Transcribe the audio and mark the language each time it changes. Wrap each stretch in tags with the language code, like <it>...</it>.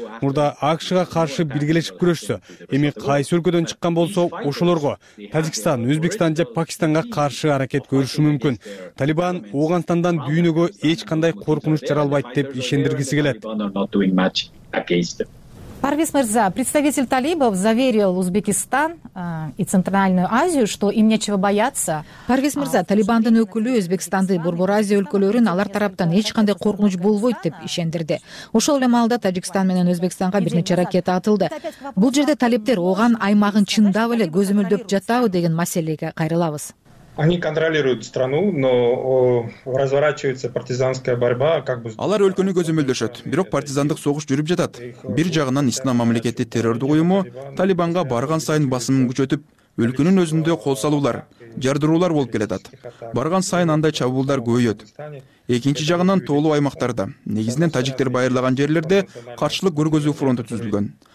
<ky>Мурда АКШга каршы биргелешип күрөшсө, эми кайсы өлкөдөн чыккан болсо, ошолорго Тажикстан, Өзбекстан же Пакистанга каршы аракет көрүшү мүмкүн. Талибан Оогантандан дүйнөгө эч кандай коркунуч жаралбайт деп ишендиргиси келет.</ky> <ru>Парвиз Мырза, представитель талибов заверил Узбекистан и Центральную Азию, что им нечего бояться.</ru> <ky>Парвиз Мырза, талибандын өкүлү Өзбекстанды Борбор Азия өлкөлөрүн алар тараптан эч кандай коркунуч болбойт деп ишендирди. Ошол эле маалда Тажикстан менен Өзбекстанга бир нече ракета атылды. Бул жерде талиптер Ооган аймагын чындап эле көзөмөлдөп жатабы деген маселеге кайрылабыз.</ky> <ru>Они контролируют страну, но разворачивается партизанская борьба, как бы.</ru> <ky>Алар өлкөнү көзөмөлдөшөт, бирок партизандык согуш жүрүп жатат. Бир жагынан Ислам мамлекети террордук уюму Талибанга барган сайын басымын күчөтүп, өлкөнүн өзүндө кол салуулар, жардыруулар болуп келатат. Барган сайын андай чабуулдар көбөйөт. Экинчи жагынан тоолуу аймактарда, негизинен тажиктер байырлаган жерлерде каршылык көргөзүү фронту түзүлгөн.</ky>